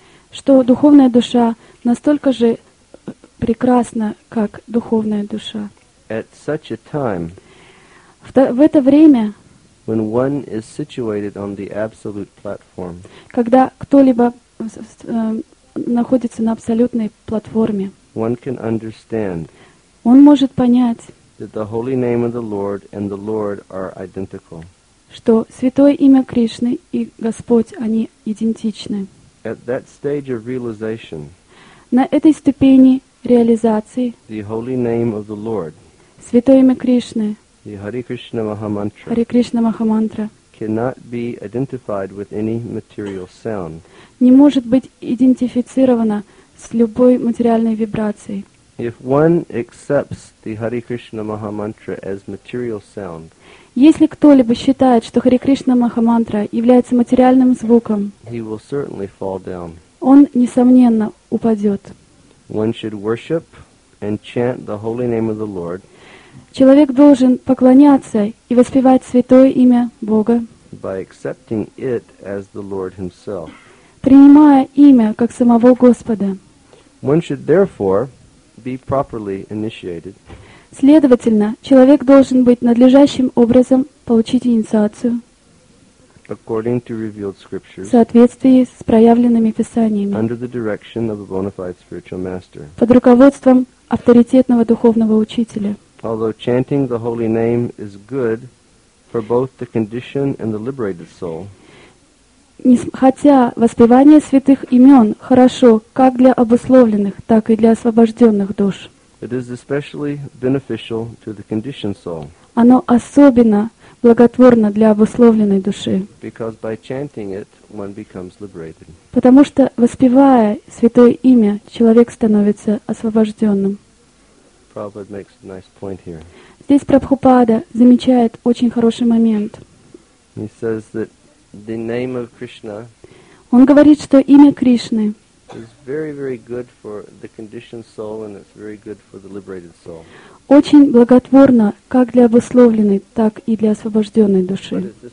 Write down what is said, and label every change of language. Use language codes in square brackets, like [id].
[ru] что духовная душа настолько же прекрасна, как духовная душа. [en] At such a time, [ru] в это время, [en] when one is situated on the absolute platform, [ru] когда кто-либо находится на абсолютной платформе, [en] one can understand, [ru] он может понять, [en] that the holy name of the Lord and the Lord are identical, [ru] что святое имя Кришны и Господь они идентичны. [en] At that stage of realization, [ru] на этой ступени реализации, [en] the holy name of the Lord. [ru] Святое имя Кришны, [en] the Hare Krishna Mahamantra, [ru] Hare Krishna Mahamantra, [en] cannot be identified with any material sound. [ru] Не может быть идентифицировано с любой материальной вибрацией. [en] If one accepts the Hare Krishna Mahamantra as material sound, [ru] если кто-либо считает, что Hare Krishna Mahamantra является материальным звуком, [en] he will certainly fall down. [ru] Он несомненно упадет. [en] One should worship and chant the holy name of the Lord. [ru] Человек должен поклоняться и воспевать святое имя Бога, [en] by accepting it as the Lord himself. [ru] Принимая имя как самого Господа. [en] One should therefore be properly initiated. [ru] Следовательно, человек должен быть надлежащим образом получить инициацию [en] according to revealed scriptures, [ru] в соответствии с проявленными писаниями, [en] under the direction of a bona fide spiritual master. [ru] Под руководством авторитетного духовного учителя. [en] Although chanting the holy name is good for both the conditioned and the liberated soul, [ru] хотя воспевание святых имен хорошо как для обусловленных, так и для освобожденных душ, [en] it is especially beneficial to the conditioned soul. [ru] Оно особенно благотворно для обусловленной души, [en] because by chanting it, one becomes liberated. [ru] Потому что воспевая святое имя, человек становится освобожденным. [en] Prabhupada makes a nice point here. [ru] Здесь Прабхупада замечает очень хороший момент. [en] He says that the name of Krishna. [ru] Он говорит, что имя Кришны. [en] Is very, very good for the conditioned soul, and it's very good for the liberated soul. [ru] Очень благотворно как для обусловленной, так и для освобожденной души.